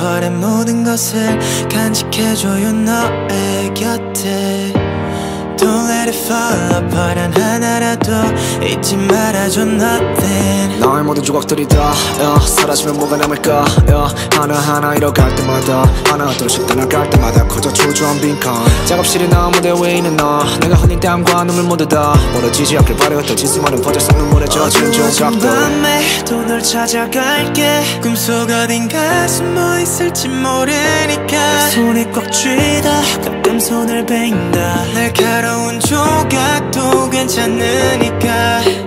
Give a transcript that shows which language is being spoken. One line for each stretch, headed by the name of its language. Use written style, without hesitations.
Korean: 모든 것을 간직해줘요 너의 곁에
English: Don't let it fall apart
Korean: 단 하나라도 잊지 말아줘
English: nothing
Korean: 너의 모든 조각들이 다 사라지면 뭐가 남을까 하나하나 잃어갈 때마다 하나 둘씩 떠나갈 때마다 커져 초조한 빈칸 작업실에 남은 무대 위에 있는 너 내가 흘린 땀과 눈물 모두 다 멀어지지 않길 바라겠다 지수만은 퍼져 쌓는 물에 젖은 조각들 어두운 밤에 또 널 찾아갈게 꿈속 어딘가 숨어 있을지 모르니까 손에 꽉 쥐다 가끔 손을 베인다 날카로운 조각도 괜찮으니까